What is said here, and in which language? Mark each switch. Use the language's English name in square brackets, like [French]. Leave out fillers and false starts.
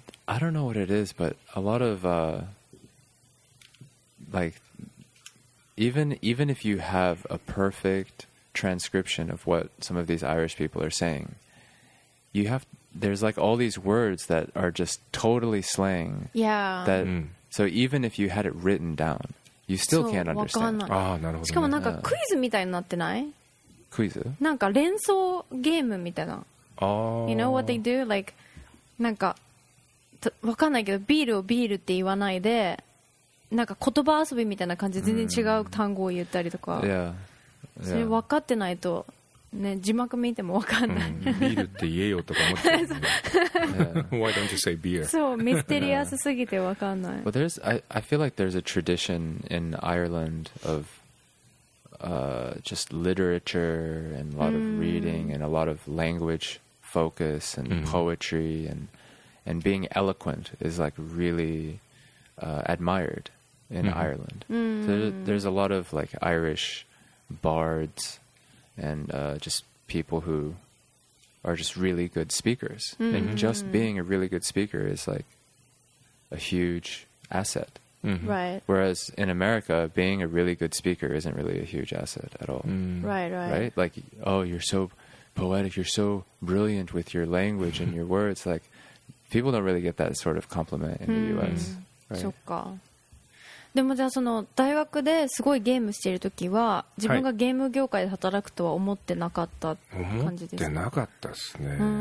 [English] I don't know what it is, but a lot of, even if you have a perfect transcription of what some of these Irish people are saying, there's like all these words that are just totally slang. Yeah. That, so even if you had it written down, you still can't understand. [Japanese] Ah, なるほど。しかもなんかクイズみたいになってない？クイズ？なんか連想ゲームみたいな。 [English] You know what they do? [Japanese] Like, なんか、わかんないけど、ビールをビールって言わないで、なんか言葉遊びみたいな感じで全然違う単語を言ったりとか。 [English] Yeah. [Japanese] それ分かってないと、ね、字幕見てもわかんない。ビールって言えよとか思ってた。 [English] Why don't you say beer? [Japanese] そう、ミステリアスすぎてわかんない。 [English] But there's, I feel like there's a tradition in Ireland of, just literature and a lot of reading and a lot of language focus and poetry and being eloquent is like really admired in Ireland. Mm. So there's a lot of like Irish bards and just people who are just really good speakers. Mm. And just being a really good speaker is like a huge asset. Mm-hmm. Right. Whereas in America, being a really good speaker isn't really a huge asset at all. Mm. Right, right. Right? Like, oh, you're so poetic, you're so brilliant with your language and your words. Like, people don't really get that sort of compliment in the US. Right? [Japanese] そっか。でもじゃあその大学ですごいゲームしてるときは、自分がゲーム業界で働くとは思ってなかった感じですか？思ってなかったっすね。